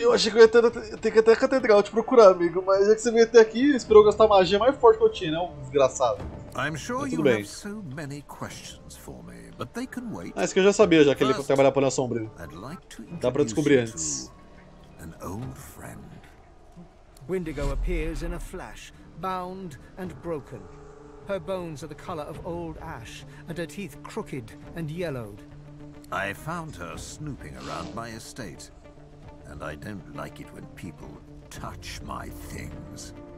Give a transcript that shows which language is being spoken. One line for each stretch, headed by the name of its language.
Portuguese: Eu achei que eu ia ter que até a catedral te procurar, amigo, mas já que você veio até aqui, esperou gastar a magia mais forte que eu tinha, né? Um desgraçado.
English: I'm sure you have so many questions for me, but they can wait.
Portuguese: Ah, isso que eu já sabia, já que ele ia trabalhar pra olhar a sombra. Dá pra descobrir antes.
English: An old friend. Windigo appears in a flash, bound and broken. Her bones are the color of old ash, and her teeth crooked and yellowed. I found her snooping around my estate, and I don't like it when people touch my things.